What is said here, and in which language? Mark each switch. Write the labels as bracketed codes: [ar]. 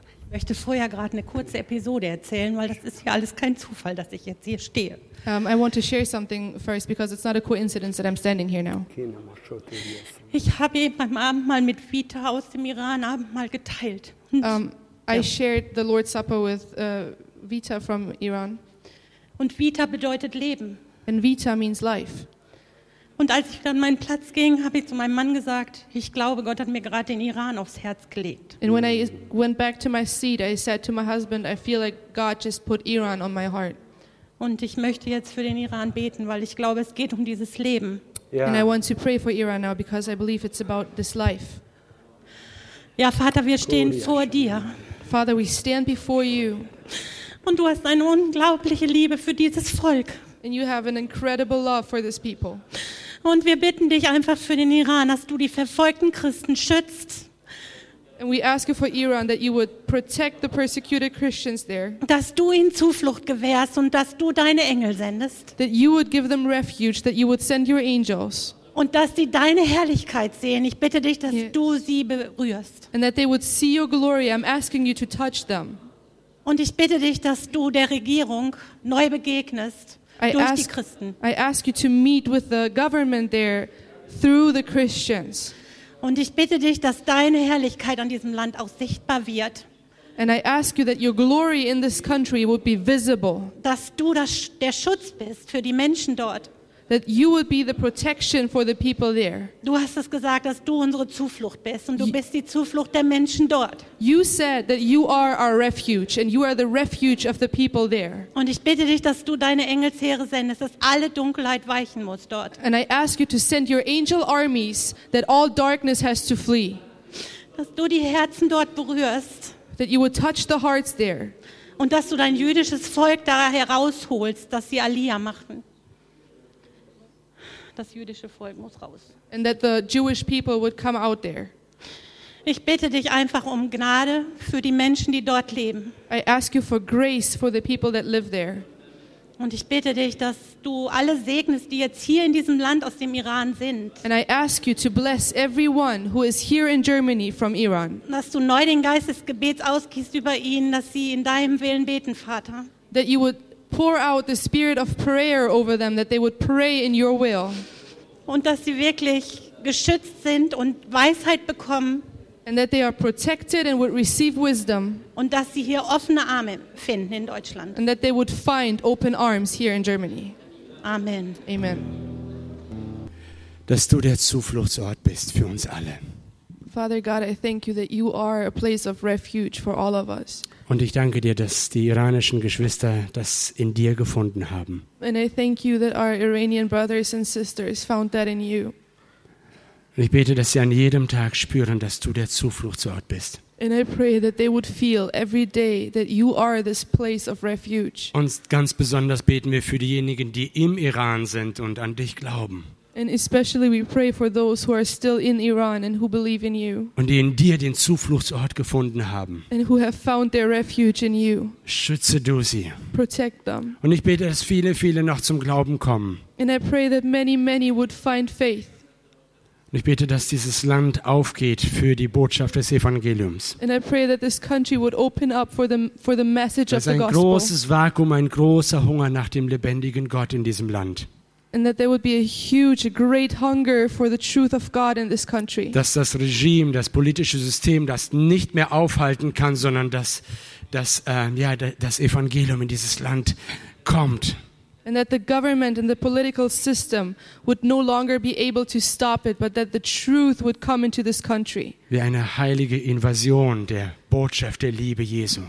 [de] Ich möchte vorher gerade eine kurze Episode erzählen, weil das ist ja alles kein Zufall, dass ich jetzt hier stehe. [en] I want to share something first, because it's not a coincidence that I'm standing here now. [de] Ich habe eben am Abend mal mit Vita aus dem Iran Abend mal geteilt. [en] I shared the Lord's Supper with Vita from Iran. [de] Und Vita bedeutet Leben. [en] And Vita means life. [de] Und als ich dann meinen Platz ging, habe ich zu meinem Mann gesagt, ich glaube, Gott hat mir gerade den Iran aufs Herz gelegt. [en] And when I went back to my seat, I said to my husband, I feel like God just put Iran on my heart. [de] Und ich möchte jetzt für den Iran beten, weil ich glaube, es geht um dieses Leben. [en] Yeah. And I want to pray for Iran now because I believe it's about this life. [de] Ja, Vater, wir stehen vor dir. [en] Father, we stand before you. [de] Und du hast eine unglaubliche Liebe für dieses Volk. [en] And you have an incredible love for this people. [de] Und wir bitten dich einfach für den Iran, dass du die verfolgten Christen schützt. [en] And we ask you for Iran that you would protect the persecuted Christians there. [de] Dass du ihnen Zuflucht gewährst und dass du deine Engel sendest. [en] That you would give them refuge, that you would send your angels. [de] Und dass sie deine Herrlichkeit sehen. Ich bitte dich, dass du sie berührst. [en] And that they would see your glory. I'm asking you to touch them. [de] Und ich bitte dich, dass du der Regierung neu begegnest durch die Christen. [en] I ask you to meet with the government there through the Christians. [de] Und ich bitte dich, dass deine Herrlichkeit an diesem Land auch sichtbar wird. [en] And I ask you that your glory in this country would be visible. [de] Dass du das, der Schutz bist für die Menschen dort. [en] That you would be the protection for the people there. [de] Du hast es gesagt, dass du unsere Zuflucht bist und du bist die Zuflucht der Menschen dort. [en] You said that you are our refuge and you are the refuge of the people there. [de] Und ich bitte dich, dass du deine Engelsheere sendest, dass alle Dunkelheit weichen muss dort. [en] And I ask you to send your angel armies that all darkness has to flee. [de] Dass du die Herzen dort berührst. [en] That you would touch the hearts there. [de] Und dass du dein jüdisches Volk da herausholst, dass sie Aliyah machen. Das jüdische Volk muss raus. [en] And that the Jewish people would come out there. [de] Ich bitte dich einfach um Gnade für die Menschen, die dort leben. [en] I ask you for grace for the people that live there. [de] Und ich bitte dich, dass du alle segnest, die jetzt hier in diesem Land aus dem Iran sind. [en] And I ask you to bless everyone who is here in Germany from Iran. [de] Dass du neu den Geist des Gebets ausgießt über ihnen, dass sie in deinem Willen beten, Vater. [en] That you would pour out the spirit of prayer over them, that they would pray in your will. [de] Und dass sie wirklich geschützt sind und Weisheit bekommen. [en] And that they are protected and would receive wisdom. [de] Und dass sie hier offene Arme finden in Deutschland. [en] And that they would find open arms here in Germany. [de] Amen. [en] Amen. [de] Dass du der Zufluchtsort bist für uns alle. [en] Father God, I thank you that you are a place of refuge for all of us. [de] Und ich danke dir, dass die iranischen Geschwister das in dir gefunden haben. [en] And I thank you that our Iranian brothers and sisters found that in you. [de] Und ich bete, dass sie an jedem Tag spüren, dass du der Zufluchtsort bist. [en] And I pray that they would feel every day that you are this place of refuge. [de] Und ganz besonders beten wir für diejenigen, die im Iran sind und an dich glauben. [en] And especially we pray for those who are still in Iran and who believe in you. [de] Und die in dir den Zufluchtsort gefunden haben. [en] And who have found their refuge in you. [de] Schütze du sie. [en] Protect them. [de] Und ich bete, dass viele, viele noch zum Glauben kommen. [en] And I pray that many, many would find faith. [de] Und ich bete, dass dieses Land aufgeht für die Botschaft des Evangeliums. [en] And I pray that this country would open up for the message of the gospel. [de] Ein großes Vakuum, ein großer Hunger nach dem lebendigen Gott in diesem Land. [en] And that there would be a huge, a great hunger for the truth of God in this country. [de] Dass das Regime, das politische System, das nicht mehr aufhalten kann, sondern das Evangelium in dieses Land kommt. [en] And that the government and the political system would no longer be able to stop it, but that the truth would come into this country. [de] Wie eine heilige Invasion der Botschaft der Liebe Jesu.